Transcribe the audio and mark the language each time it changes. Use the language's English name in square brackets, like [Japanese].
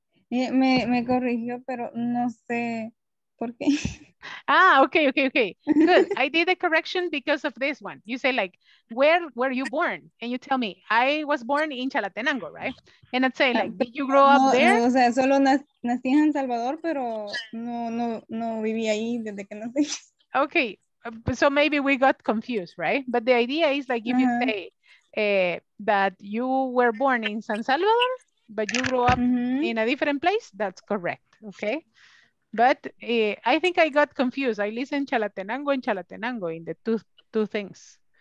[Spanish] Me corrigió, pero no sé por qué. [English] Ah, okay, okay, okay. Good. I did a correction because of this one. You say like, where were you born? And you tell me, I was born in Chalatenango, right? And I'd say like, did you grow up there? [Spanish] No, o sea, solo nací en San Salvador, pero no viví ahí desde que nací. [English] Okay, so maybe we got confused, right? But the idea is like, if you say that you were born in San Salvador, but you grew up in a different place, that's correct, okay? But I think I got confused. I listened Chalatenango and Chalatenango in the two things.